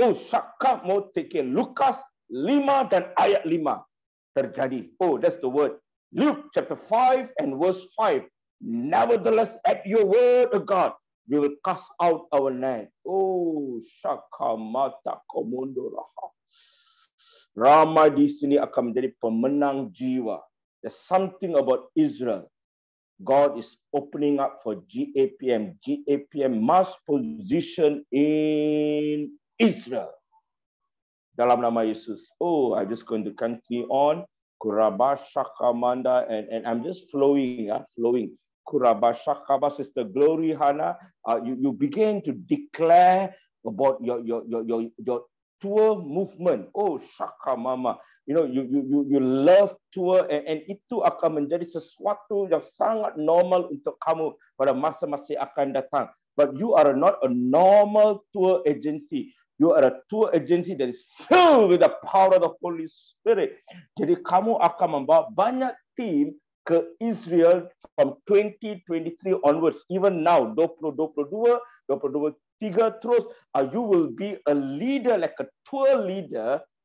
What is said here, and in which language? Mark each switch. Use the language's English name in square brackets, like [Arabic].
[Malay] Shaka mo teke Lukas 5 dan ayat 5 terjadi. [English] That's the word. Luke chapter 5 and verse 5. Nevertheless, at your word, O God, we will cast out our net. Shakamata komondo raha. [Malay] Ramai di sini akan menjadi pemenang jiwa. [English] There's something about Israel. God is opening up for GAPM. GAPM must position in Israel. [Malay] Dalam nama Yesus. [English] I'm just going to continue on. Kuraba shakamanda. And I'm just flowing. Kurabashakaba, Sister Glory Hana, you begin to declare about your tour movement. [Malay] Shaka Mama, [English] you know you love tour, and [Malay] itu akan menjadi sesuatu yang sangat normal untuk kamu pada masa-masa yang akan datang. [English] But you are not a normal tour agency. You are a tour agency that is filled with the power of the Holy Spirit. [Malay] Jadi kamu akan membawa banyak tim ke Israel [English] from 2023 onwards, even now, 2022, 2023, terus, you will be a leader, like a tour leader.